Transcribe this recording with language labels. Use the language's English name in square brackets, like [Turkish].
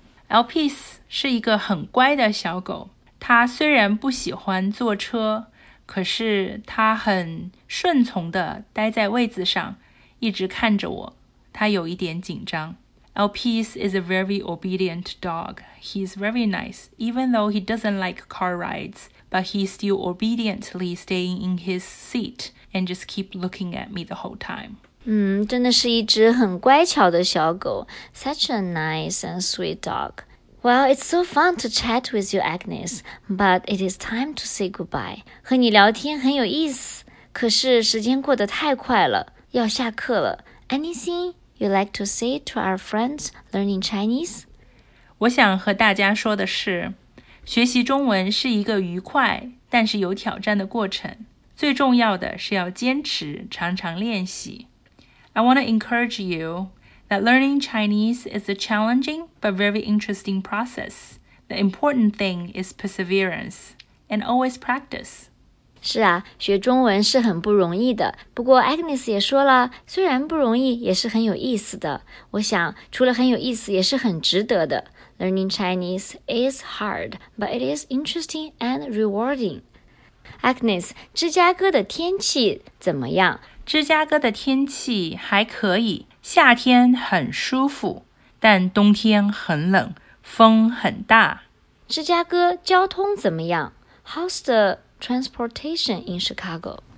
[Chinese] Elpis 是一个很乖的小狗她虽然不喜欢坐车可是她很顺从地待在位子上一直看着我她有一点紧张 [English] Elpis is a very obedient dog. He's very nice, even though he doesn't like car rides, but he's still obediently staying in his seat and just keep looking at me the whole time. [Chinese] 真的是一只很乖巧的小狗。 [English] Such a nice and sweet dog. Well, it's so fun to chat with you, Agnes, but it is time to say goodbye. [Chinese] 和你聊天很有意思,可是时间过得太快了,要下课了。 [English] Anything? You'd like to say to our friends learning Chinese? [Chinese] 我想和大家说的是，学习中文是一个愉快，但是有挑战的过程。最重要的是要坚持，常常练习。 [English] I want to encourage you that learning Chinese is a challenging but very interesting process. The important thing is perseverance and always practice. [Chinese] 是啊，学中文是很不容易的。不过 Agnes 也说了，虽然不容易，也是很有意思的。我想，除了很有意思，也是很值得的。 [English] Learning Chinese is hard, but it is interesting and rewarding. [Chinese] Agnes, 芝加哥的天气怎么样？芝加哥的天气还可以，夏天很舒服，但冬天很冷，风很大。芝加哥交通怎么样？ [English] How's the... Transportation in Chicago.